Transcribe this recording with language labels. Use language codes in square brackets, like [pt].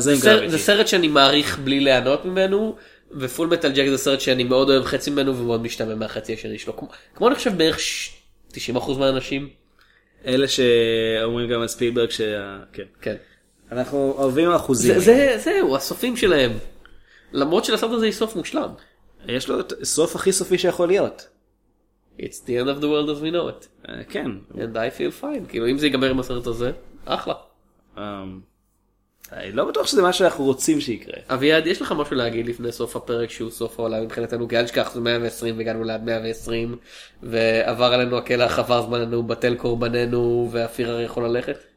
[he] זה סרט שאני מעריך בלי להנות ממנו. ופול מטל ג'ק זה סרט שאני מאוד אוהב חצי ממנו ומאוד משתמם מהחצי השני שלו. כמו אני חושב בערך 90% מהאנשים. אלה שאומרים גם על ספילברג ש... כן. כן. אנחנו אוהבים אחוזים. זהו, הסופים שלהם. למרות שלסרט הזה היא סוף מושלם. יש לו סוף הכי סופי שיכול להיות. [en] It's the end of the world as we know it. [he] כן. [en] And I feel fine. [he] כאילו אם זה ייגמר עם הסרט הזה, אחלה. אני לא בטוח שזה מה שאנחנו רוצים שיקרה. אביעד, יש לך משהו להגיד לפני סוף הפרק שהוא סוף העולם מבחינתנו? כי אל תשכח, זה 120, הגענו ליד 120, ועבר עלינו הכלח, עבר זמננו, בטל קורבננו, ואפיר הרי יכול ללכת?